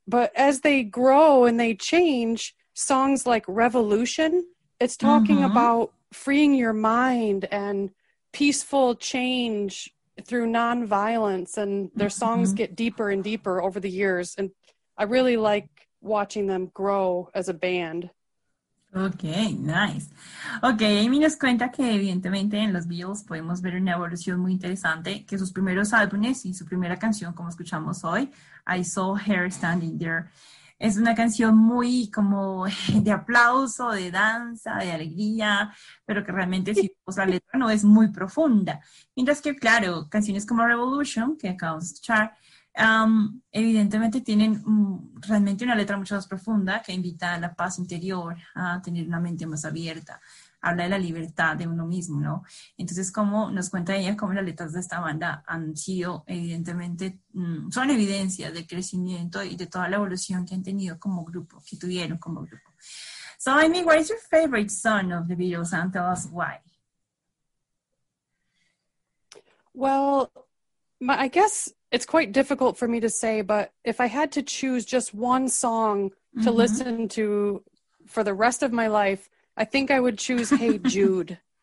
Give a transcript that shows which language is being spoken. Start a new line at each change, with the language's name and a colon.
English: But as they grow and they change, songs like Revolution, it's talking about freeing your mind and peaceful change through nonviolence. And their songs get deeper and deeper over the years. And I really like watching them grow as a band. Okay, nice.
Spanish: Okay, Amy nos cuenta que evidentemente en los Beatles podemos ver una evolución muy interesante, que sus primeros álbumes y su primera canción, como escuchamos hoy, I Saw Her Standing There, es una canción muy como de aplauso, de danza, de alegría, pero que realmente si vemos la letra no es muy profunda. Mientras que, claro, canciones como Revolution, que acabamos de escuchar, evidentemente tienen realmente una letra mucho más profunda que invita a la paz interior, a tener una mente más abierta, habla de la libertad de uno mismo, ¿no? Entonces, como nos cuenta ella, cómo las letras de esta banda han sido, evidentemente, son evidencia del crecimiento y de toda la evolución que han tenido como grupo, que tuvieron como grupo.
English: So, I mean, what is your favorite song of the Beatles and tell us why? Well, I guess it's quite difficult for me to say, but if I had to choose just one song to listen to for the rest of my life, I think I would choose Hey Jude.